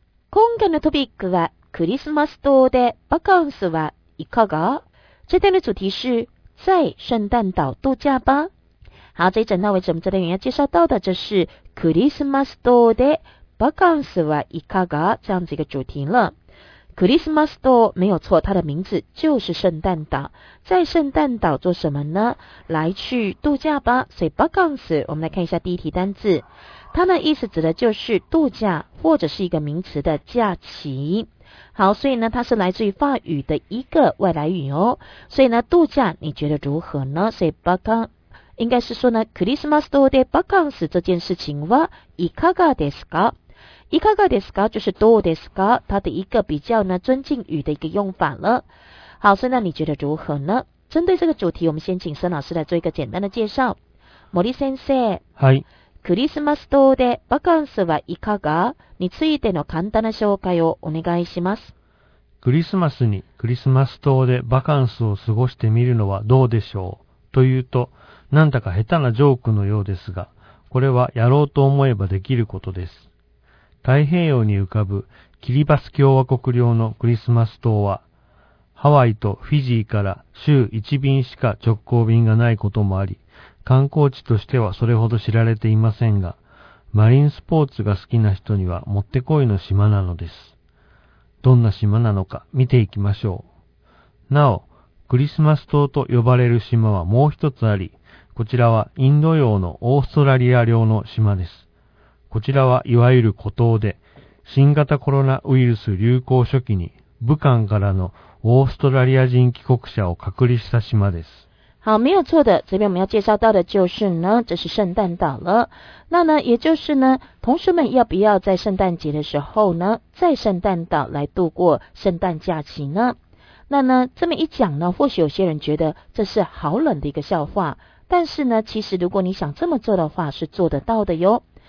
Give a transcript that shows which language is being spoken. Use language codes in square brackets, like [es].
[ja] 今夜のトピックはクリスマス島でバカンスはいかが？ [zh] 这天的主题是在圣诞岛度假吧。好，这一整套为什么这天要介绍到的，就是 [ja] クリスマス島でバカンスはいかが [zh] 这样子一个主题了。クリスマス島没有错，它的名字就是圣诞岛。在圣诞岛做什么呢？来去度假吧。所以バカンス，我们来看一下第一题单字。它的意思指的就是度假或者是一个名词的假期。好，所以呢它是来自于法语的一个外来语哦。所以呢度假你觉得如何呢？所以バカン应该是说呢 [ja] クリスマス島でバカンス [zh] 这件事情 [ja] はいかがですか？いかがですか [zh] 就是 [ja] どうですか， [zh] 它的一个比较呢尊敬语的一个用法了。好，所以那你觉得如何呢？针对这个主题，我们先请孙老师来做一个简单的介绍。 [ja] 森先生，はい。クリスマス島でバカンスはいかがについての簡単な紹介をお願いします。クリスマスにクリスマス島でバカンスを過ごしてみるのはどうでしょうというと、なんだか下手なジョークのようですが、これはやろうと思えばできることです。太平洋に浮かぶキリバス共和国領のクリスマス島は、ハワイとフィジーから週1便しか直行便がないこともあり、観光地としてはそれほど知られていませんが、マリンスポーツが好きな人にはもってこいの島なのです。どんな島なのか見ていきましょう。なお、クリスマス島と呼ばれる島はもう一つあり、こちらはインド洋のオーストラリア領の島です。こちらはいわゆる孤島で、新型コロナウイルス流行初期に武漢からのオーストラリア人帰国者を隔離した島です。 [zh] 好，没有错的，这边我们要介绍到的就是呢，这是圣诞岛了。那呢，也就是呢，同学们要不要在圣诞节的时候呢，在圣诞岛来度过圣诞假期呢？那呢，这么一讲呢，或许有些人觉得这是好冷的一个笑话，但是呢，其实如果你想这么做的话，是做得到的哟。